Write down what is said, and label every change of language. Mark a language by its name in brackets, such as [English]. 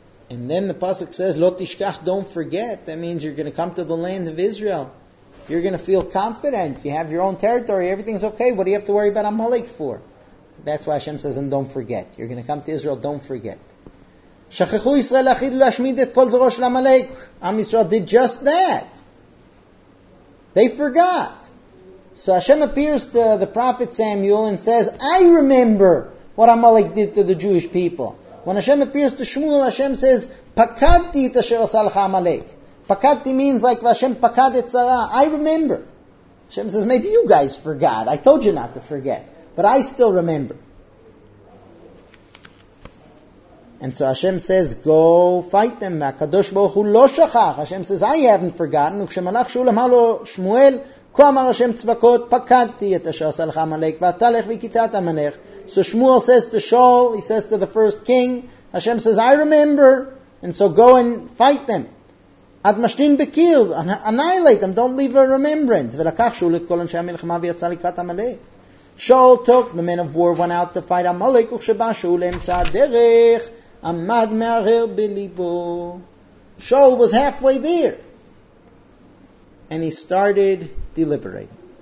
[English] And then the pasuk says, [Hebrew] "Lo tishkach, [English] don't forget." That means you're going to come to the land of Israel. You're going to feel confident. You have your own territory. Everything's okay. What do you have to worry about Amalek for? That's why Hashem says, "And don't forget." You're going to come to Israel. Don't forget. [Hebrew] שכחו ישראל להחיד ולהשמיד את כל זרוע של עמלק. [English] Am Israel did just that. They forgot. So Hashem appears to the prophet Samuel and says, I remember what Amalek did to the Jewish people. When Hashem appears to Shmuel, Hashem says, [Hebrew] פקדתי את אשר עשה לך עמלק. פקדתי [English] means like [Hebrew] Hashem פקד את צרה. [English] I remember. Hashem says, maybe you guys forgot. I told you not to forget. But I still remember. And so Hashem says, go fight them. [Hebrew] HaKadosh Baruch Hu lo shachach. [English] Hashem says, I haven't forgotten. [Hebrew] וכשמלך שאול אמר לו שמואל, כה אמר Hashem צבקות, פקדתי את אשר עשה לך עמלק, ואתה לך וכיתת עמלך. [English] So Shmuel says to Shaul, he says to the first king, Hashem says, I remember. And so go and fight them. [Hebrew] עד משתין בקיר, [English] annihilate them, don't leave a remembrance. [Hebrew] ולקח שאול את כל אנשי המלחמה ויצא לקראת עמלק. [English] Shaul took, the men of war went out to fight Amalek, [Hebrew] וכשבא שאול לאמצע הדרך, עמד מערער בליבו. [English] Shaul was halfway there. And he started deliberating.